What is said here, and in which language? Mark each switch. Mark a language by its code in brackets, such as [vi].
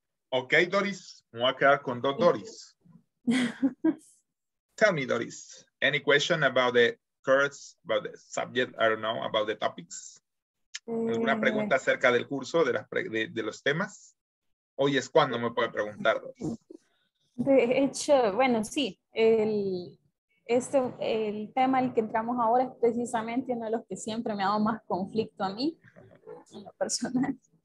[es] Okay, Doris, voy a quedar con dos Doris. [en] Tell me, Doris, any question about the course, about the subject, I don't know, about the topics? [es] ¿Alguna pregunta acerca del curso, de los temas? Hoy es cuando me puede preguntar. De hecho, bueno, sí. El tema al que entramos ahora es precisamente uno de los que siempre me ha dado más conflicto a mí, en lo personal.